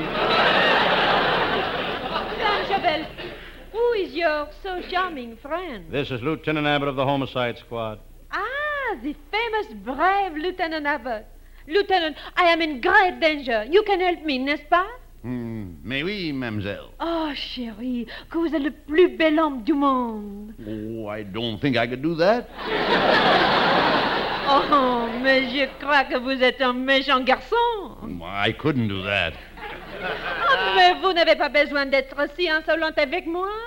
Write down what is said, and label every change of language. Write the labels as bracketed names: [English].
[English] Sam Chauvel, who is your so charming friend? This is Lieutenant Abbott of the Homicide Squad. Ah, the famous brave Lieutenant Abbott. Lieutenant, I am in great danger. You can help me, [French] n'est-ce pas? Mais oui, mademoiselle. Oh, chérie, que vous êtes le plus bel homme du monde. [English] Oh, I don't think I could do that. [French] Oh, mais je crois que vous êtes un méchant garçon. [English] I couldn't do that. [French] Oh, mais vous n'avez pas besoin d'être si insolente avec moi.